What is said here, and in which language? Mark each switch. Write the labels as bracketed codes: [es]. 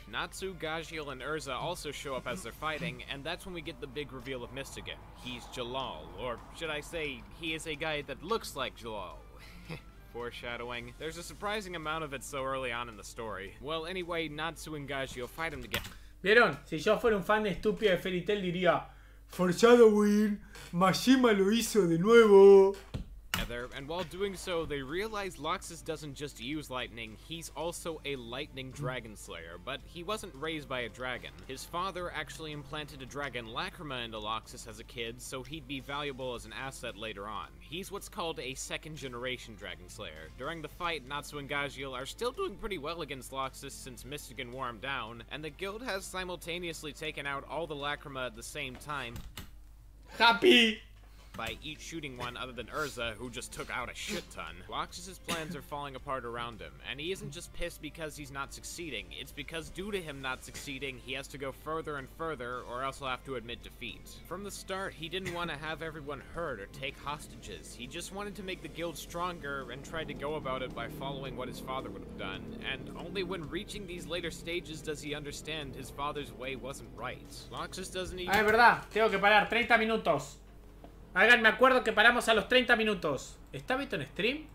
[en] Natsu, Gajiel, and Urza also show up as they're fighting, and that's when we get the big reveal of Mystigan. He's Jalal, or should I say, he is a guy that looks like Jalal. Foreshadowing. There's a surprising amount of it so early on in the story. Well, anyway, Natsu and Gajiel fight him together. [es] ¿Vieron? Si yo fuera un fan estúpido de Fairy Tail, diría... Foreshadowing, Mashima lo hizo de nuevo. [en] And while doing so, they realize Loxus doesn't just use lightning, he's also a lightning dragon slayer, but he wasn't raised by a dragon. His father actually implanted a dragon lacrima into Loxus as a kid, so he'd be valuable as an asset later on. He's what's called a second generation dragon slayer. During the fight, Natsu and Gajiel are still doing pretty well against Loxus since Mystigan wore him down, and the guild has simultaneously taken out all the lacrima at the same time. Happy! By each shooting one other than Urza, who just took out a shit ton. Loxus's plans are falling apart around him, and he isn't just pissed because he's not succeeding, it's because due to him not succeeding, he has to go further and further, or else he'll have to admit defeat. From the start, he didn't want to have everyone hurt or take hostages, he just wanted to make the guild stronger and tried to go about it by following what his father would have done, and only when reaching these later stages does he understand his father's way wasn't right. Loxus doesn't even- [es] Ah, es verdad, tengo que parar 30 minutos. Háganme acuerdo que paramos a los 30 minutos. ¿Está Beto en stream?